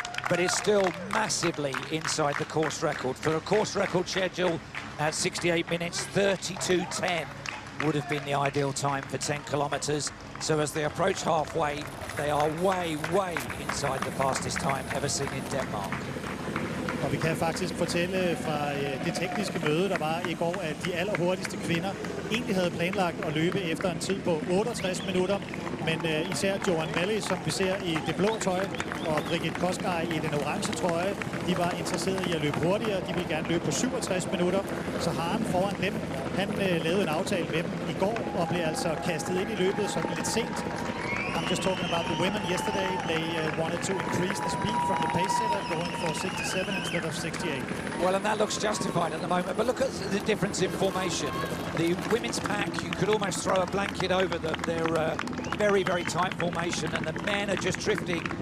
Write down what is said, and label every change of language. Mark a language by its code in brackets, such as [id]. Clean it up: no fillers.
[en] But it's still massively inside the course record. For a course record schedule at 68 minutes, 32.10 would have been the ideal time for 10 kilometers. So as they approach halfway, they are way, way inside the fastest time ever seen in Denmark. [da] Og vi kan faktisk fortælle fra det tekniske møde, der var i går, at de allerhurtigste kvinder egentlig havde planlagt at løbe efter en tid på 68 minutter. Men især Joanne Malley, som vi ser i det blå tøj, og Brigitte Kosgei i den orange trøje, de var interesserede i at løbe hurtigere. De ville gerne løbe på 67 minutter, så Haren foran dem, han lavede en aftale med dem i går og blev altså kastet ind i løbet som lidt sent. [en] I'm just talking about the women yesterday. They wanted to increase the speed from the pace setter, going for 67 instead of 68. Well, and that looks justified at the moment. But look at the difference in formation. The women's pack, you could almost throw a blanket over them. They're very, very tight formation, and the men are just drifting.